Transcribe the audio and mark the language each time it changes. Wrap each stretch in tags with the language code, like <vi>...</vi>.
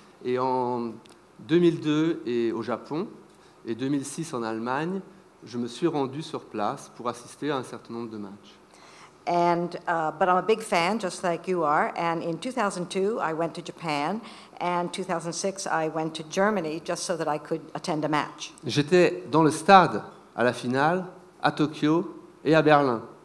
<fr>Et en 2002 et au Japon, et 2006 en Allemagne, je me suis rendu sur place pour assister à un certain nombre de matchs.</fr> <en>And, but I'm a big fan, just like you are. And in 2002, I went to Japan. And 2006, I went to Germany, just so that I could attend a match.</en> <fr>J'étais dans le stade à la finale, à Tokyo et à Berlin.</fr>